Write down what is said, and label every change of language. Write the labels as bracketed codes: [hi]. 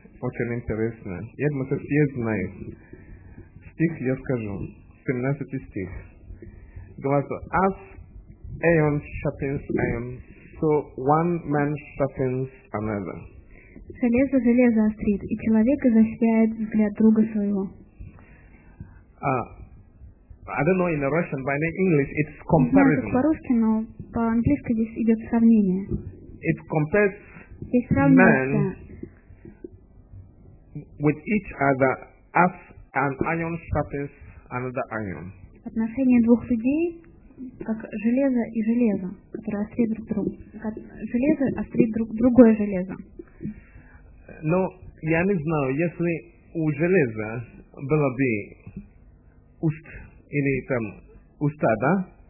[ru] Очень интересно. Я думаю, что все знают. Стих я скажу. 17 стих. Говорится, [en] as iron sharpens iron, so one man sharpens another. [ru] Железо железо острит, и человек изощряет взгляд друга своего. [en] I don't know in the Russian, but in English it's comparison. [ru] Знаю, по-русски, но по-английски здесь идет сравнение. [en] It compares man with each other as an iron sharpens another iron. [ru] Отношение двух людей как железо и железо, которое острит друг друга. Как железо острит другое железо. Но я не знаю, если у железа было бы уст или там уста, да?